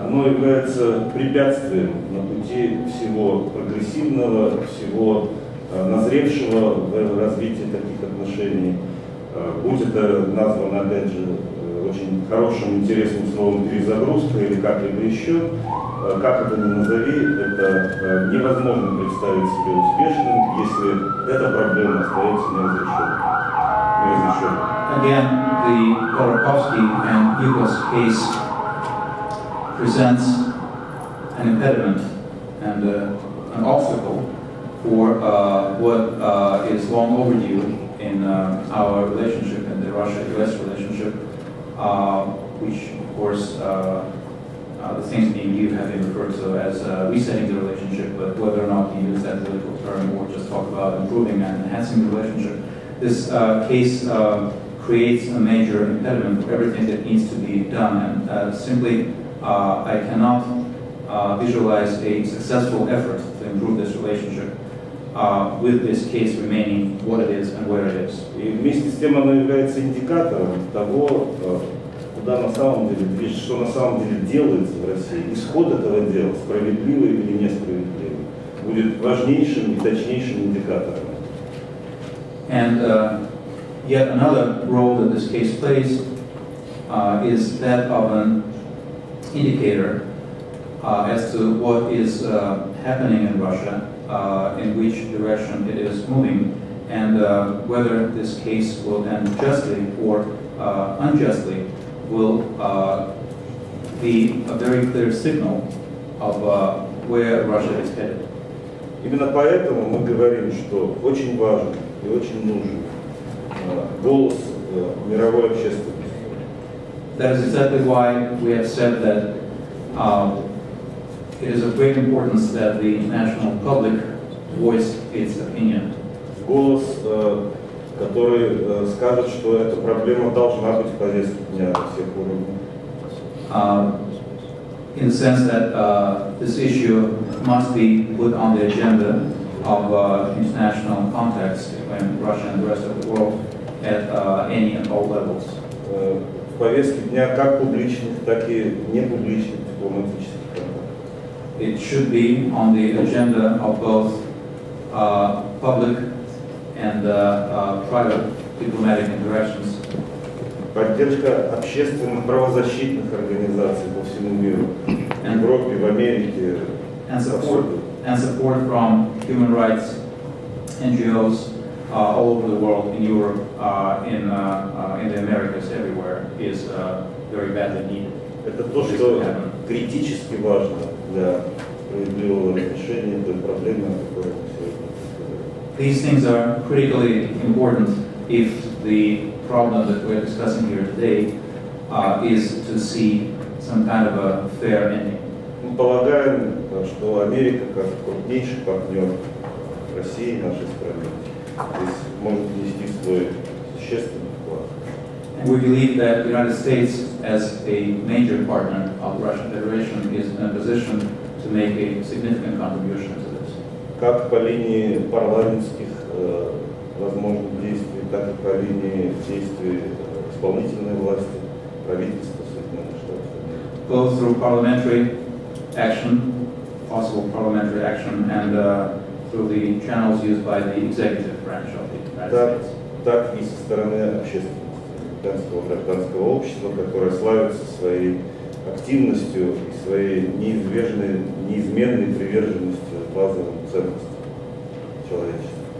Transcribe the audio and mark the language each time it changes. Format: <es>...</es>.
<ru>Оно является препятствием на пути всего прогрессивного, всего назревшего в развитии таких отношений. Будь это названо, опять же, очень хорошим, интересным словом перезагрузка или как-либо еще, как это ни назови, это невозможно представить себе успешным, если эта проблема остается неразрешенной.</ru> <en>Again, the Ходорковский and Yukos case presents an impediment and an obstacle for what is long overdue in our relationship and the Russia-US relationship, which, of course, the things being you have been referred to as resetting the relationship, but whether or not you use that political term or just talk about improving and enhancing the relationship, this case creates a major impediment for everything that needs to be done. And simply, I cannot visualize a successful effort to improve this relationship with this case remaining what it is and where it is.</en> <ru>И вместе с тем оно является индикатором того, куда на самом деле, что на самом деле делается в России, исход этого дела, справедливый или несправедливый, будет важнейшим и точнейшим индикатором.</ru> <en>And yet another role that this case plays is that of an indicator as to what is happening in Russia, in which direction it is moving, and whether this case will end justly or unjustly will be a very clear signal of where Russia is headed.</en> <ru>Именно поэтому мы говорим, что очень важен и очень нужен голос мировой общественности.</ru> <en>That is exactly why we have said that it is of great importance that the international public voice its opinion.</en> <ru>Голос, который скажет, что эта проблема должна быть в повестке дня всех уровней.</ru> <en>In the sense that this issue must be put on the agenda of international contacts in Russia and the rest of the world at any and all levels.</en> <ru>В повестке дня как публичных, так и непубличных дипломатических.</ru> <en>It should be on the agenda of both public and private diplomatic interactions.</en> <ru>Поддержка общественных правозащитных организаций по всему миру. and, Европе, в Америке,</ru> <en>and support and support from human rights NGOs all over the world, in Europe, in the Americas, everywhere, is very badly needed.</en> <ru>Это то, что критически важно для справедливого решения той проблемы, о которой мы сегодня говорим.</ru> <en>These things are critically important if the problem that we're discussing here today is to see some kind of a fair ending.</en> <ru>Мы полагаем, что Америка как крупнейший партнер России и нашей страны здесь может внести свой существенный вклад.</ru> <en>And we believe that the United States, as a major partner of the Russian Federation, is in a position to make a significant contribution to this.</en> <ru>Как по линии парламентских возможных действий, так и по линии действий исполнительной власти, правительства Соединенных Штатов.</ru> <en>Both through parliamentary action, possible parliamentary action, and through the channels used by the executive branch of the United States.</en> <ru>Так и со стороны общественности. Гражданского общества, которое славится своей активностью и своей неизменной приверженностью базовым ценностям человечества.</ru>